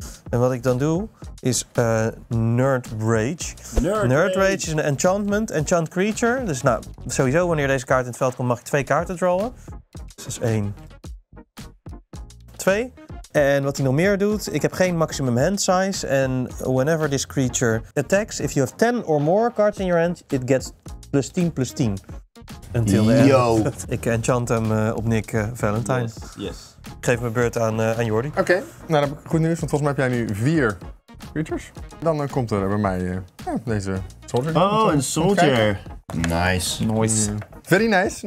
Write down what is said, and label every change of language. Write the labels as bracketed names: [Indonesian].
[Dutch] En wat ik dan doe, is Nerd Rage is een enchantment, enchant creature. Dus nou, sowieso wanneer deze kaart in het veld komt, mag ik 2 kaarten drawen. Dus dat is 1, 2. En wat hij nog meer doet, ik heb geen maximum hand size. [English] En whenever this creature attacks, if you have 10 or more cards in your hand, it gets +10/+10. Until the end. [Dutch] Ik enchant hem op Nick Valentine. [English] Yes. [Dutch] Ik geef mijn beurt aan Jordi. Oké, okay. Nou dan heb ik goed nieuws, want volgens mij heb jij nu 4 creatures. Dan komt er bij mij deze soldier. Oh, een soldier. Nice. [English] Nice. Very nice.